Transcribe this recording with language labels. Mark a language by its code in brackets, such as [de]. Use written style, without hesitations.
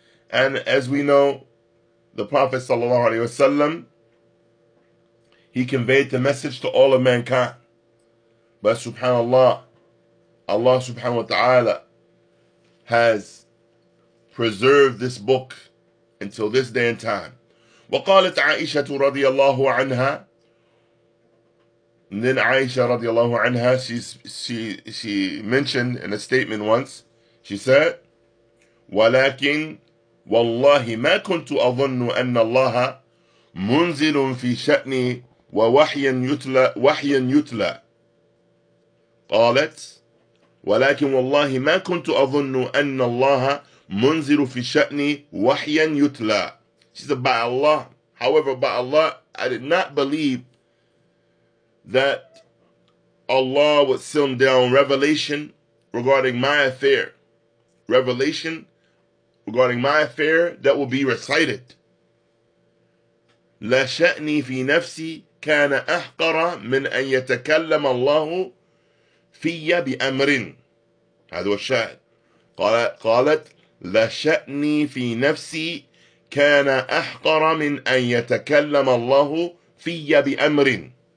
[en] And as we know, the Prophet sallallahu alaihi wasallam, he conveyed the message to all of mankind. But subhanallah, Allah subhanahu wa ta'ala has preserve this book until this day and time. [ar] وقالت عائشة رضي الله عنها. [en] And then Aisha رضي الله عنها, she mentioned in a statement once, she said, [ar] ولكن والله ما كنت أظن أن الله منزل في شأني ووحيا يتلى. قالت ولكن والله ما كنت أظن أن الله منزل في شأني وحيا يتلى. [en] She said, by Allah, however, by Allah, I did not believe that Allah would send down revelation regarding my affair. Revelation regarding my affair that will be recited. [ar] لا شأني في نفسي كان أحقر من أن يتكلم الله في بأمر. هذا هو الشاهد. قالت لا شأني في نفسي كان أحقر من أن يتكلم الله في بأمر.